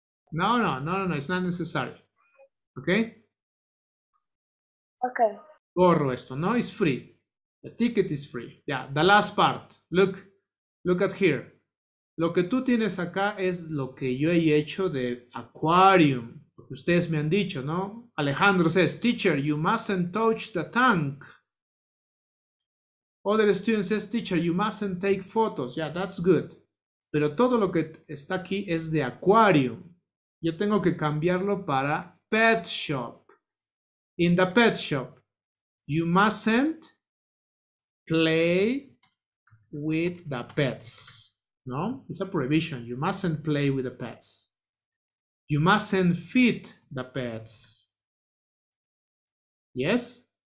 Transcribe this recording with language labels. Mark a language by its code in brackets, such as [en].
[en] No, it's not necessary. Okay? Okay. [es] Borro esto, no? [en] It's free. The ticket is free. Yeah, the last part. Look at here. [es] Lo que tú tienes acá es lo que yo he hecho de aquarium. Lo que ustedes me han dicho, ¿no? [en] Alejandro says, teacher, you mustn't touch the tank. Other student says, teacher, you mustn't take photos. Yeah, that's good. [es] Pero todo lo que está aquí es de aquarium. Yo tengo que cambiarlo para pet shop. [en] In the pet shop, you mustn't play with the pets. No, it's a prohibition. You mustn't play with the pets. You mustn't feed the pets. Yes?